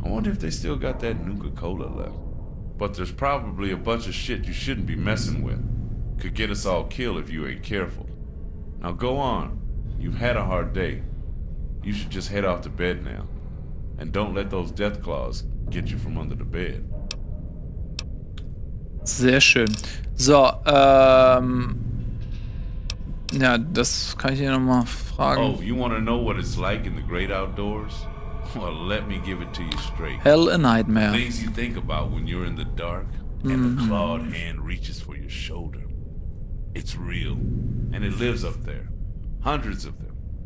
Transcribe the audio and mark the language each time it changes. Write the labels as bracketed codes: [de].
[en] I wonder if they still got that Nuka-Cola left. But there's probably a bunch of shit you shouldn't be messing with. Could get us all killed if you ain't careful. Now go on. You've had a hard day. You should just head off to bed now. And don't let those death claws get you from under the bed. [de] Sehr schön. So, ja, das kann ich hier nochmal fragen. [en] Oh, you want to know what it's like in the great outdoors? Well, let me give it to you straight. Hell, a nightmare. Things you think about when you're in the dark and a clawed hand reaches for your shoulder. It's real. And it lives up there. Hundreds of them.